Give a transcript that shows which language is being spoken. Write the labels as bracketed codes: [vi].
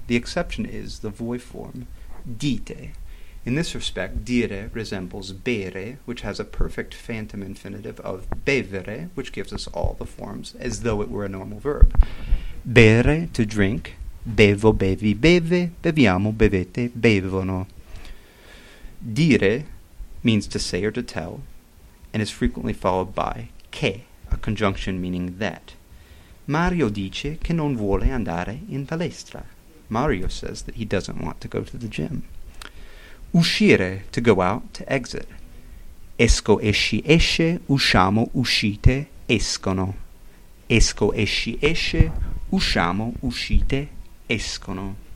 [en] The exception is the voi form, dite. In this respect, dire resembles bere, which has a perfect phantom infinitive of bevere, which gives us all the forms as though it were a normal verb. [it] Bere, [en] to drink. [it] Bevo, bevi, beve. Beviamo, bevete, bevono. [en] Dire means to say or to tell, and is frequently followed by che, a conjunction meaning that. [it] Mario dice che non vuole andare in palestra. [en] Mario says that he doesn't want to go to the gym. [it] Uscire, [en] to go out, to exit. [it] Esco, esci, esce, usciamo, uscite, escono. Esco, esci, esce, usciamo, uscite, escono.